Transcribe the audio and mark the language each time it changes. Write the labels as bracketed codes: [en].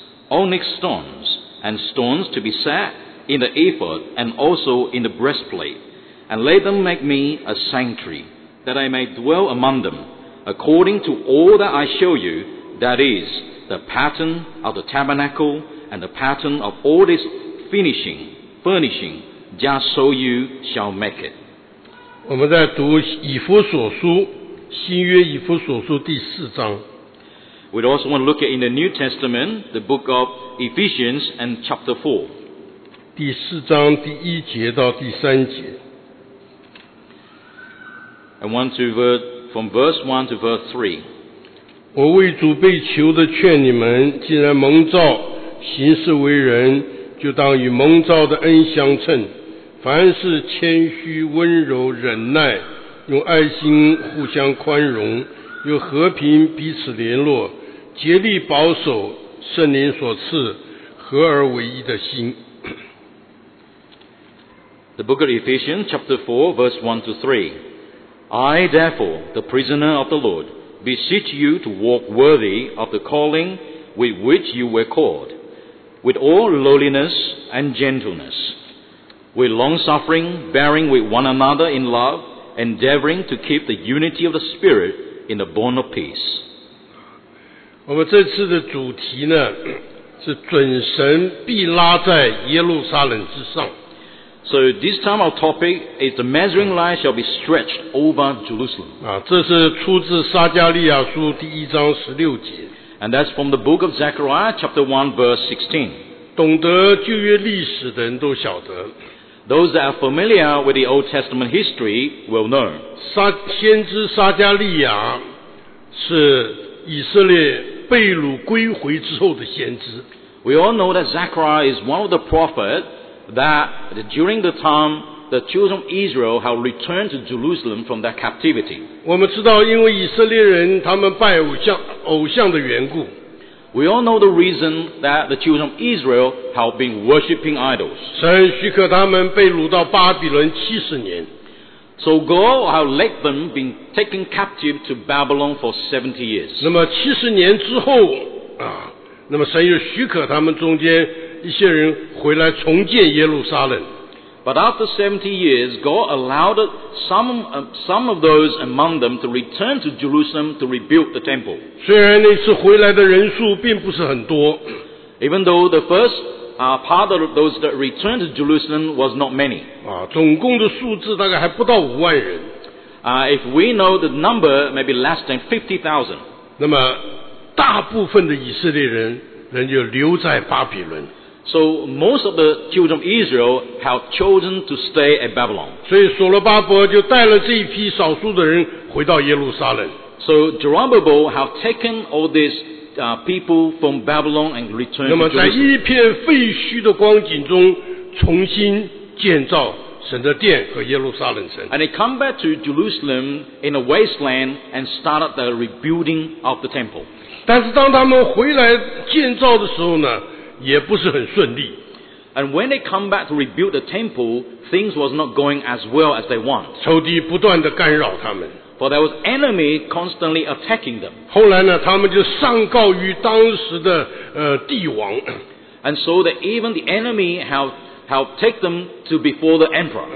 [en] onyx stones,and stones to be set in the ephod and also in the breastplate, and let them make me a sanctuary, that I may dwell among them, according to all that I show you, that is, the pattern of the tabernacle and the pattern of all this furnishing, just so you shall make it. [zh] 我们在读以弗所书，新约以弗所书第四章。 [en] We also want to look at in the New Testament, the book of Ephesians and chapter 4. [zh] 第四章第一节到第三节。 [en] I want to read from verse 1 to verse 3. [zh] 我为主被囚的劝你们，既然蒙召行事为人，就当与蒙召的恩相称，凡事谦虚温柔忍耐，用爱心互相宽容，用和平彼此联络，竭力保守圣灵所赐合而为一的心。 [en] The book of Ephesians chapter 4 verse 1 to 3. I therefore, the prisoner of the Lord, beseech you to walk worthy of the calling with which you were called, with all lowliness and gentleness, with longsuffering, bearing with one another in love, endeavoring to keep the unity of the Spirit in the bond of peace. [zh] 我们这次的主题呢，是准神必拉在耶路撒冷之上。 [en] So this time our topic is the measuring line shall be stretched over Jerusalem. [zh] 啊，这是出自撒加利亚书第一章十六节。 [en] And that's from the book of Zechariah chapter 1 verse 16. [zh] 懂得旧约历史的人都晓得。 [en] Those that are familiar with the Old Testament history will know. [zh] 先知撒加利亚是以色列被掳归回之后的先知。 [en] We all know that Zechariah is one of the prophets that during the time the children of Israel have returned to Jerusalem from their captivity. [zh] 我们知道因为以色列人他们拜偶像的缘故。 [en] We all know the reason that the children of Israel have been worshipping idols. [zh] 神许可他们被掳到巴比伦七十年。 [en] So God had let them be taken captive to Babylon for 70 years. [zh] 那么七十年之后啊，那么神又许可他们中间一些人回来重建耶路撒冷。 [en] But after 70 years, God allowed some of those among them to return to Jerusalem to rebuild the temple. [zh] 虽然那次回来的人数并不是很多。 [en] Even though the firstpart of those that returned to Jerusalem was not many. [zh] 总共的数字大概还不到五万人。 [en] If we know the number, maybe less than 50,000. [zh] 那么大部分的以色列人仍旧留在巴比伦。 [en] So most of the children of Israel have chosen to stay at Babylon. [zh] 所以所罗巴伯就带了这一批少数的人回到耶路撒冷。 [en] So Zerubbabel have taken all these people from Babylon and returned to Jerusalem. [zh] 那么在一片废墟的光景中重新建造神的殿和耶路撒冷城。 [en] And they come back to Jerusalem in a wasteland and started the rebuilding of the temple. [zh] 但是当他们回来建造的时候呢，也不是很顺利。 [en] And when they come back to rebuild the temple, things was not going as well as they want. [zh] 仇敌不断地干扰他们。 [en] For there was enemy constantly attacking them. [zh] 后来呢，他们就上告于当时的帝王。 [en] And so that even the enemy have take them to before the emperor.